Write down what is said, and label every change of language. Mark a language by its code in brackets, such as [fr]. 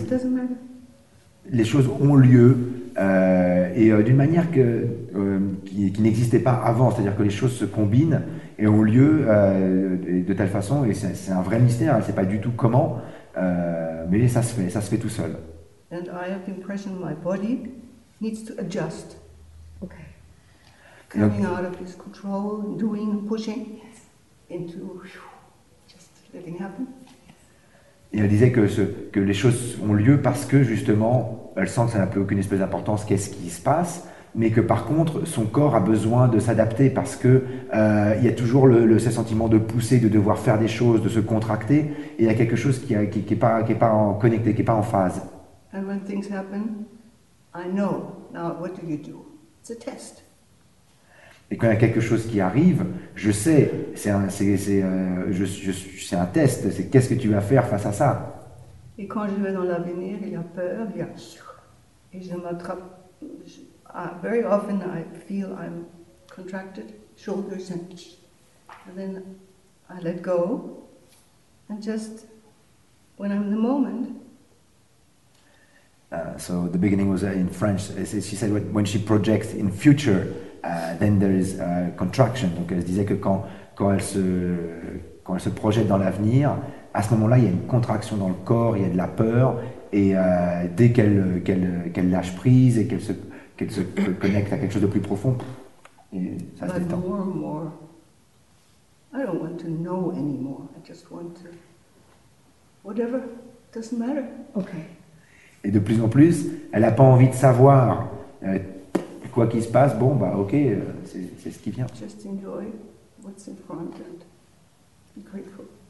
[en] Because it doesn't matter. [fr] Les choses ont lieu D'une manière que, qui n'existait pas avant, c'est-à-dire que les choses se combinent et ont lieu de telle façon, et c'est un vrai mystère, hein, c'est pas du tout comment, mais ça se fait tout seul. [en] And I have the impression my body needs to adjust. Okay. Coming out of this control, doing, pushing, into just letting happen. [fr] Et elle disait que les choses ont lieu parce que justement elle sent que ça n'a plus aucune espèce d'importance qu'est-ce qui se passe, mais que par contre son corps a besoin de s'adapter parce que il y a toujours ce sentiment de pousser, de devoir faire des choses, de se contracter, et il y a quelque chose qui est pas en connecté, qui n'est pas en phase. [en] And when things happen, I know. Now what do you do? It's a test. [fr] Et quand il y a quelque chose qui arrive, je sais, c'est un test, c'est qu'est-ce que tu vas faire face à ça. Et quand je vais dans l'avenir, il y a peur, il y a... Et je m'attrape... [en] very often I feel I'm contracted, shoulders and then I let go. And just when I'm in the moment... So the beginning was in French. She said when she projects in future, then there is a contraction. [fr] Donc elle disait que quand elle se projette dans l'avenir, à ce moment-là, il y a une contraction dans le corps, il y a de la peur, et dès qu'elle lâche prise et qu'elle se connecte à quelque chose de plus profond, ça se détend. [en] More and more, I don't want to know anymore. I just want to whatever doesn't matter. Okay. [fr] Et de plus en plus, elle a pas envie de savoir. Quoi qu'il se passe, bon, bah ok, c'est ce qui vient. [en] Just enjoy what's in front and be grateful.